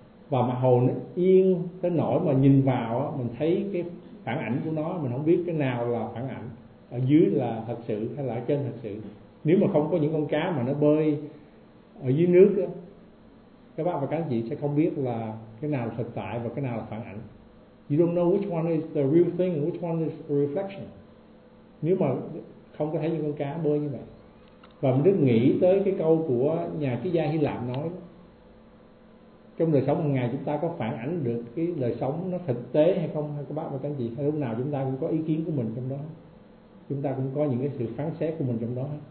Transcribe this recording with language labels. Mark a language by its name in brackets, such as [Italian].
[Vietnamese] Và mặt hồ nó yên tới nỗi mà nhìn vào mình thấy cái phản ảnh của nó, mình không biết cái nào là phản ảnh, ở dưới là thật sự hay là ở trên thật sự. Nếu mà không có những con cá mà nó bơi ở dưới nước, các bác và các anh chị sẽ không biết là cái nào thực tại và cái nào là phản ảnh. [English] You don't know which one is the real thing and which one is a reflection. [Vietnamese] Nếu mà không có thấy những con cá bơi như vậy. Và mình Đức nghĩ tới cái câu của nhà triết gia Hy Lạp nói: trong đời sống hàng ngày chúng ta có phản ảnh được cái đời sống nó thực tế hay không, hay các bác và các anh chị, hay lúc nào chúng ta cũng có ý kiến của mình trong đó, chúng ta cũng có những cái sự phán xét của mình trong đó.